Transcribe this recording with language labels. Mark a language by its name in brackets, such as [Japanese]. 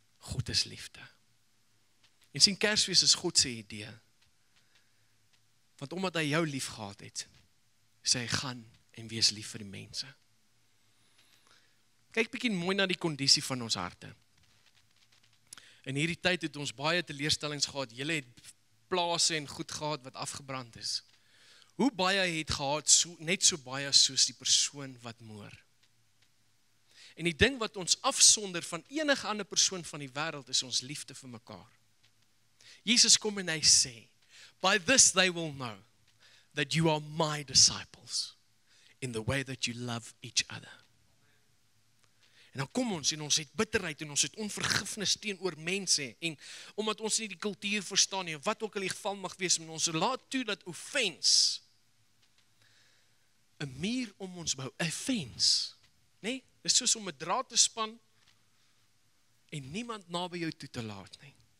[Afrikaans] God is liefde. En sien, Kersfees is God se idee. Want omdat hy jou lief gehad het, sê hy gaan en wees lief vir die mense. Kyk bietjie mooi na die kondisie van ons harte. In hierdie tyd het ons baie teleurstellings gehad. Julle het plase en goed gehad wat afgebrand is. Hoe baie het gehad, net so baie soos die persoon wat moor. En die ding wat ons afsonder van enige ander persoon van die wêreld is ons liefde vir mekaar. Jesus kom en hy sê, [English] by this they will know that you are my disciples in the way that you love each other. [Afrikaans] En dan kom ons en ons het bitterheid en ons het onvergifnis teenoor mense en omdat ons nie die kultuur verstaan nie, wat ook al die geval mag wees, maar ons laat toe dat offense, 'n muur om ons bou, 'n fence, nê? Nee? Dis soos om 'n draad te span en niemand naby jou toe te laat nie.